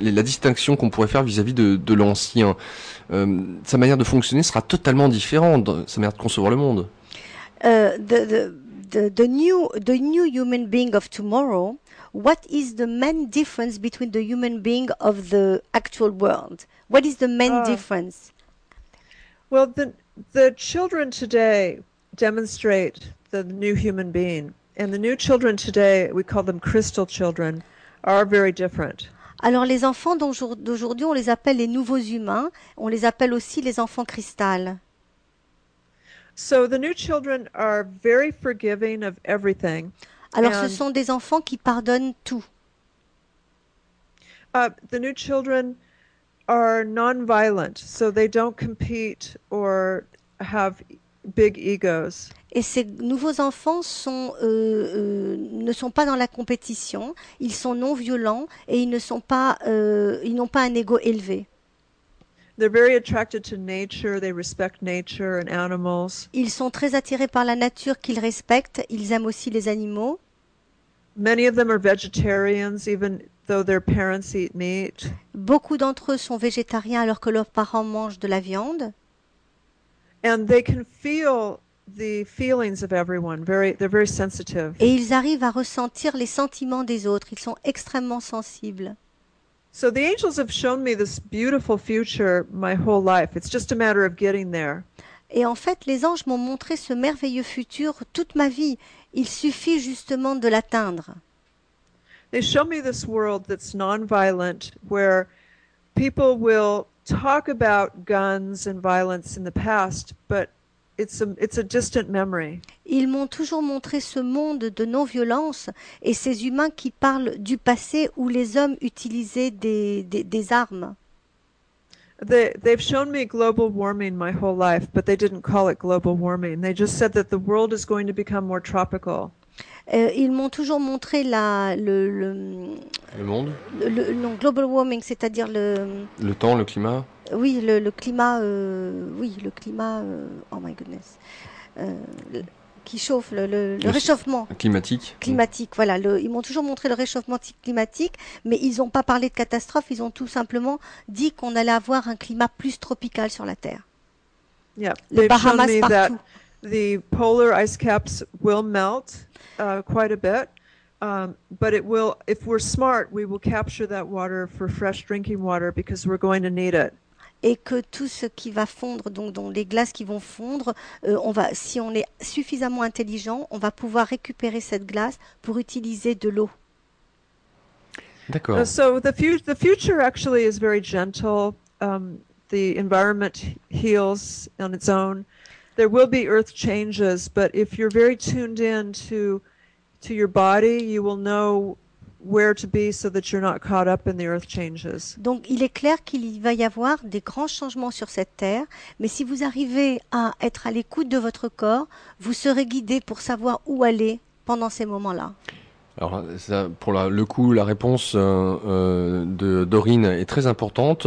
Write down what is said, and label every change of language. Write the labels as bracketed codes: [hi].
[fr] La distinction qu'on pourrait faire vis-à-vis de l'ancien, sa manière de fonctionner sera totalement différente, sa manière de concevoir le monde. [en] The new human being of tomorrow, what is the main difference between the human being of the actual world? What is the main difference? Well, the children today demonstrate the new human being. And the new children today, we call them crystal children, are very different. [fr] Alors les enfants d'aujourd'hui, on les appelle les nouveaux humains. On les appelle aussi les enfants cristal. [en] So the new children are very forgiving of everything. [fr] Alors ce sont des enfants qui pardonnent tout. [en] The new children are non-violent, so they don't compete or have big egos. [fr] Et ces nouveaux enfants sont, ne sont pas dans la compétition, ils sont non violents et ils ne sont pas, ils n'ont pas un ego élevé. [en] They're very attracted to nature, they respect nature and animals. [fr] Ils sont très attirés par la nature qu'ils respectent, ils aiment aussi les animaux. [en] Many of them are vegetarians, even though their parents eat meat. [fr] Beaucoup d'entre eux sont végétariens alors que leurs parents mangent de la viande. [en] And they can feel the feelings of everyone. They're very sensitive. [fr] Et ils arrivent à ressentir les sentiments des autres. Ils sont extrêmement sensibles. [en] So the angels have shown me this beautiful future my whole life. It's just a matter of getting there. [fr] Et en fait, les anges m'ont montré ce merveilleux futur toute ma vie. Il suffit justement de l'atteindre. [en] They show me this world that's non-violent, where people will talk about guns and violence in the past, but it's a distant memory. [fr] Ils m'ont toujours montré ce monde de non-violence et ces humains qui parlent du passé où les hommes utilisaient des armes. [en] They've shown me global warming my whole life, but they didn't call it global warming. They just said that the world is going to become more tropical. [fr] Ils m'ont toujours montré le monde. Non, global warming, c'est-à-dire le temps, le climat. Oui, le climat. Oui, le climat. [en] Oh my goodness. [fr] Qui chauffe le réchauffement climatique. Climatique. Voilà. Ils m'ont toujours montré le réchauffement climatique, mais ils n'ont pas parlé de catastrophe. Ils ont tout simplement dit qu'on allait avoir un climat plus tropical sur la Terre. [en] Yeah, [fr] le Bahamas [en] shown me [fr] partout. [en] that the polar ice caps will melt quite a bit, but it will, if we're smart, we will capture that water for fresh drinking water because we're going to need it. [fr] Et que tout ce qui va fondre, donc dont les glaces qui vont fondre, on va, si on est suffisamment intelligent, on va pouvoir récupérer cette glace pour utiliser de l'eau. D'accord. [en] So the future actually is very gentle. The environment heals on its own. There will be earth changes, but if you're very tuned in to your body, you will know where to be so that you're not caught up in the earth changes. [fr] Donc il est clair qu'il va y avoir des grands changements sur cette terre, mais si vous arrivez à être à l'écoute de votre corps, vous serez guidé pour savoir où aller pendant ces moments-là. Alors ça, pour la, le coup, la réponse de Dorine est très importante.